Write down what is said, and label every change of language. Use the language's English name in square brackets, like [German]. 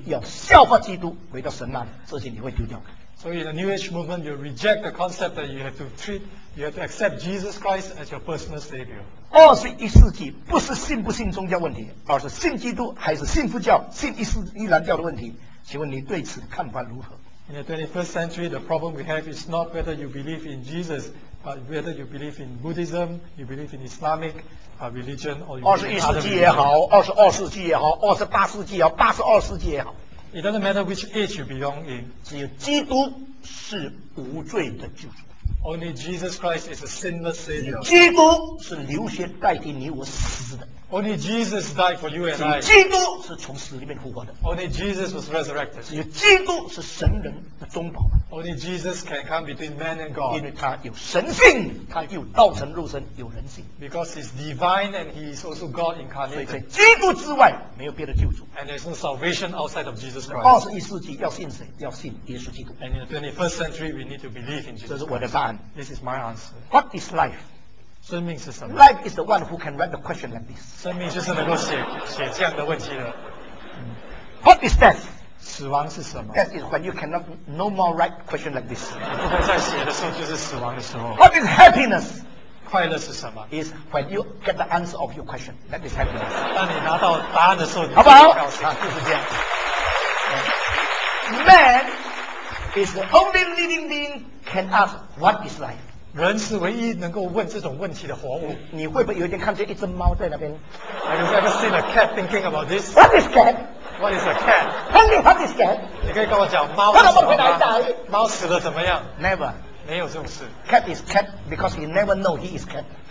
[Chinese] 在这个运动里面，你要自我觉悟，宣称自己是神。所以在新世纪运动里面，你不小心的话，你就掉到不再承认耶稣是基督救主、神是创造者，你要效法基督，回到神那里，这些你会丢掉。 [English] So in the New Age movement, you reject the concept that you have to treat, you have to accept Jesus Christ as your personal savior. 21st century [Chinese] 不是信不信宗教问题，而是信基督还是信佛教、信伊斯兰教的问题。请问你对此看法如何？ [English] In the 21st century, the problem we have is not whether you believe in Jesus, but whether you believe in Buddhism, you believe in Islamic religion, or you believe in other religions. It doesn't matter which age you belong in. [Chinese] 只有基督是无罪的救主。 [English] Only Jesus Christ is a sinless savior. [Chinese] 基督是流血代替你我死的。 [English] Only Jesus died for you and I. [Chinese] 只有基督是从死里面复活的。 [English] Only Jesus was resurrected. [Chinese] 只有基督是神人的中保。 [English] Only Jesus can come between man and God. [Chinese] 因为他有神性，他又道成肉身，有人性。 [English] Because he's divine and he is also God incarnate. [Chinese] 所以在基督之外没有别的救主。 [English] And there's no salvation outside of Jesus Christ. 21st century [Chinese] 要信谁？要信耶稣基督。 [English] And in the 21st century, we need to believe in Jesus. [Chinese] 这是我的答案。 [English] This is my answer. What is life? [Chinese] 生命是什么? [English] Life is the one who can write the question like this. [Chinese] 生命就是能够写这样的问题了。 [English] What is death? [Chinese] 死亡是什么? [English] Death is when you cannot no more write question like this. [Chinese] 不会再写的时候就是死亡的时候。 [English] What is happiness? [Chinese] 快乐是什么? [English] Is when you get the answer of your question. That is happiness. [Chinese] 当你拿到答案的时候，你就表达就是这样。 [English] Man is the only living being can ask what is life. [Chinese] 人是唯一能够问这种问题的活物。你会不会有一天看见一只猫在那边？ [English] Have you ever seen a cat thinking about this? What is cat? What is a cat? Tell me what is cat? [Chinese] 你可以跟我讲猫死了吗？猫死了怎么样？ [English] Never. [Chinese] 没有这种事。 [English] Cat is cat because he never know he is cat.